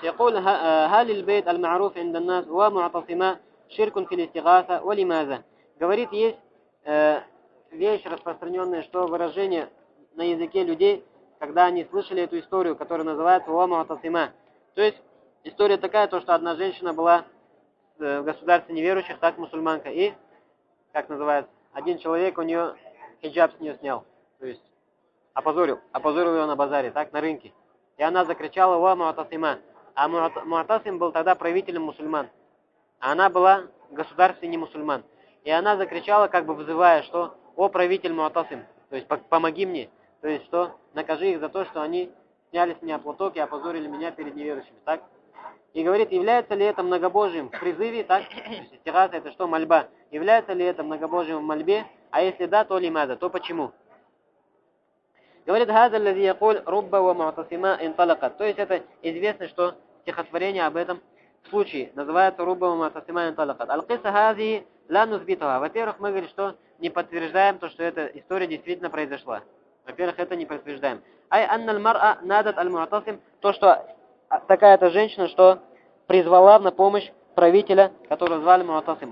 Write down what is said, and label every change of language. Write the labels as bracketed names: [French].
[Arabic] يقول هل البيت المعروف عند الناس ومعتصما شرك في الاستغاثة ولماذا? [Russian] Говорит, есть вещь распространенная, что выражение на языке людей, когда они слышали эту историю, которая называется ومعتصما. То есть история такая, то что одна женщина была в государстве неверующих, так мусульманка, и как называется, один человек у нее хиджаб с нее снял. То есть Опозорил ее на базаре, так, на рынке. И она закричала «Ва муатасима». А муатасим был тогда правителем мусульман. А она была в государстве не мусульман. И она закричала, как бы вызывая, что «О, правитель муатасим, то есть помоги мне». То есть что? Накажи их за то, что они сняли с меня платок и опозорили меня перед неверующими. Так? И говорит, является ли это многобожьим в призыве, так? То есть стихаса, это что, мольба. Является ли это многобожьим в мольбе? А если да, то лимаза, то почему? [Arabic] Говорит, هذا الذي يقول رب ومعتصما انطلقت. [Russian] То есть это известно, что стихотворение об этом случае называется [Arabic] رب ومعتصما انطلقت. القصة هذه لا نثبتها. [Russian] Во-первых, мы говорим, что не подтверждаем то, что эта история действительно произошла. Во-первых, это не подтверждаем. [Arabic] أي أن المرأة نادت المعتصم, [Russian] то, что такая-то женщина, что призвала на помощь правителя, которого звали معتصم.